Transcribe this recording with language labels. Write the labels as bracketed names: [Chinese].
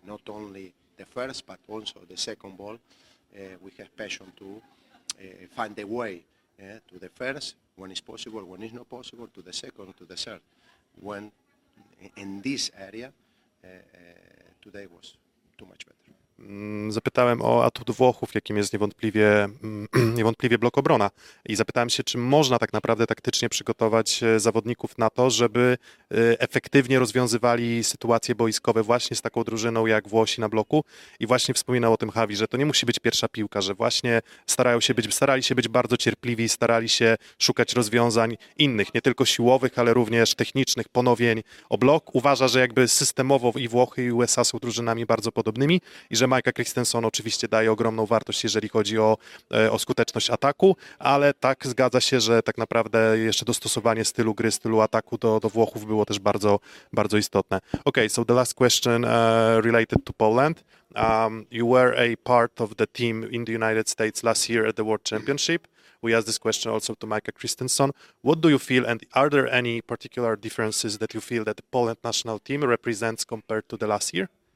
[English] Not only the first, but also the second ball. We have passion to find a way to the first, when it's possible, when it's not possible, to the second, to the third. When in this area, today was too much better. [Polish] Zapytałem o atut Włochów, jakim jest niewątpliwie blok obrona. I zapytałem się, czy można tak naprawdę taktycznie przygotować zawodników na to, żeby efektywnie rozwiązywali sytuacje boiskowe właśnie z taką drużyną jak Włosi na bloku. I właśnie wspominał o tym Javi, że to nie musi być pierwsza piłka, że właśnie starali się być bardzo cierpliwi, starali się szukać rozwiązań innych, nie tylko siłowych, ale również technicznych, ponowień o blok. Uważa, że jakby systemowo i Włochy, i USA są drużynami bardzo podobnymi i że Mike'a Christensen oczywiście daje ogromną wartość, jeżeli chodzi o skuteczność ataku, ale tak, zgadza się, że tak naprawdę jeszcze dostosowanie stylu gry, stylu ataku do Włochów było też bardzo, bardzo istotne. [English] Okay, so the last question related to Poland. You were a part of the team in the United States last year at the World Championship. We asked this question also to Mike'a Christensen. What do you feel, and are there any particular differences that you feel that the Poland national team represents compared to the last year?